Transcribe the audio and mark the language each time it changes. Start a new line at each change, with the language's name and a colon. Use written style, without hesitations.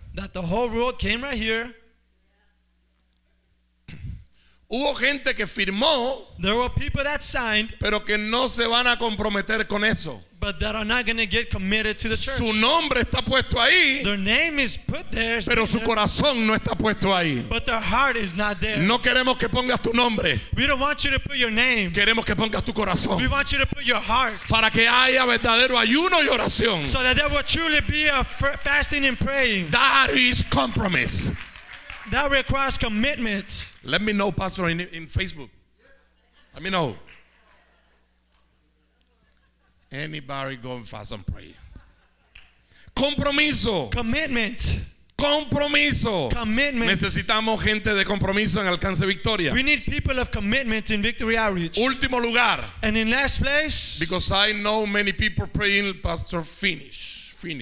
English: That the whole world came right here.
Spanish: Hubo gente que firmó,
English: there were people that signed,
Spanish: pero que no se van a comprometer con eso.
English: But that are not going to get committed to the church.
Spanish: Su nombre está puesto ahí,
English: their name is put there,
Spanish: pero su corazón no está puesto ahí.
English: But their heart is not there.
Spanish: No queremos que pongas tu nombre.
English: We don't want you to put your name.
Spanish: Queremos que pongas tu corazón.
English: We want you to put your heart.
Spanish: Para que haya verdadero ayuno y oración.
English: So that there will truly be a fasting and praying. That is compromise. That requires commitment. Let me know, Pastor, in Facebook. Let me know. Anybody going fast and pray?
Spanish: Compromiso.
English: Commitment.
Spanish: Compromiso.
English: Commitment.
Spanish: Necesitamos gente de compromiso en Alcance Victoria.
English: We need people of commitment in Victory Outreach.
Spanish: Último lugar.
English: And in last place. Because I know many people praying, Pastor, finish.